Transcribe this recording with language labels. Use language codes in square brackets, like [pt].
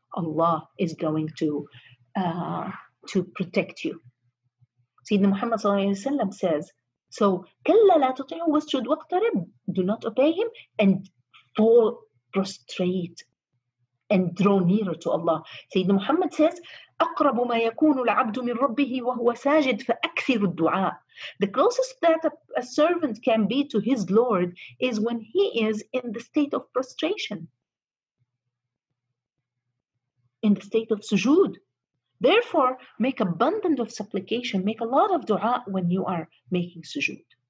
[en] Allah is going to protect you. Sayyidina Muhammad sallallahu alayhi wa sallam says, so, [ar] كَلَّا لَا تُطِعْهُ وَسْجُدْ وَقْتَرِبْ. [en] Do not obey him and fall prostrate and draw nearer to Allah. Sayyidina Muhammad says, [ar] أقرب ما يكون العبد من ربه وهو ساجد فأكثر الدعاء. [en] The closest that a servant can be to his Lord is when he is in the state of prostration, in the state of sujood. Therefore, make abundant of supplication, make a lot of dua when you are making sujood.